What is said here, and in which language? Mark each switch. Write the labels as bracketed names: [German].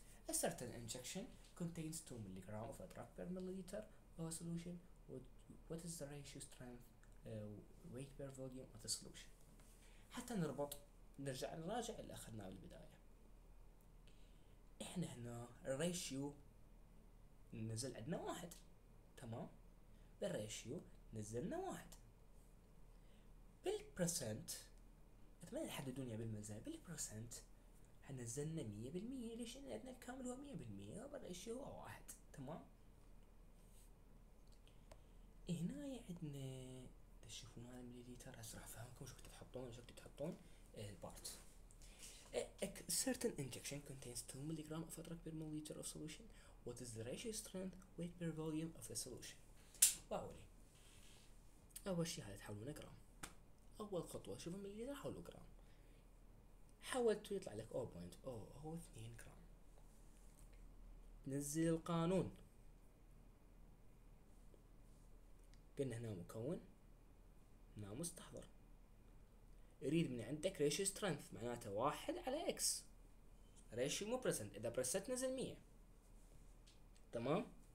[English] A certain injection contains 2 mg of a drug per milliliter of a solution. What is the ratio strength weight per volume of the solution؟ [Arabic] حتى نربط نرجع نراجع اللي اخذناه بالبدايه، احنا هنا الريشيو نزل عندنا واحد، تمام، بالريشيو نزلنا واحد، بالبرسنت اتمنى تحددون يا بالمزايا، بالبرسنت هنزلنا 100%، ليش؟ ان عندنا الكامل هو 100% وبالريشيو هو واحد، تمام. هنا عندنا تشوفون هذا المليليتر، هسه راح افهمكم شو كنتوا تحطون وشو كنتوا تحطون البارت. [English] A certain injection contains 2 milligrams of a drug per milliliter of solution. What is the ratio strength weight per volume of the solution? [Arabic] باولي اول شيء هذا تحولونه جرام، اول خطوه شوفوا المليليتر حولوا جرام، حولتوا يطلع لك 0.002 جرام. نزل القانون، قلنا هنا مكون هنا مستحضر، يريد من عندك ريشيو سترينث معناته واحد على اكس، ريشيو مو برسنت، اذا برسنت نزل 100، تمام.